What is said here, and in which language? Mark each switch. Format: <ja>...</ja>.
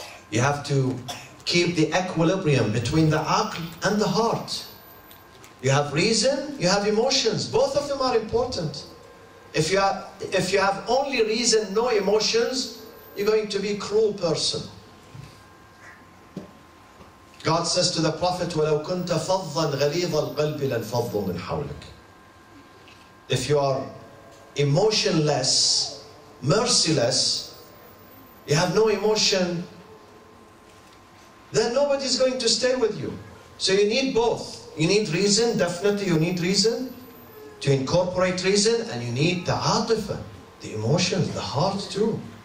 <en>You have to keep the equilibrium between the aql and the heart. You have reason, you have emotions. Both of them are important. If you have only reason, no emotions, you're going to be a cruel person. God says to the Prophet,</en> <ar>وَلَوْ كُنْتَ فَضًّا غَلِيظَ الْقَلْبِ لَنْفَضُّ مِنْ حَوْلِكَ.</ar> <en>If you are emotionless, merciless, you have no emotion, then nobody is going to stay with you. So you need both. You need reason, definitely you need reason. To incorporate reason, and you need the atifa, the emotions, the heart too.</en>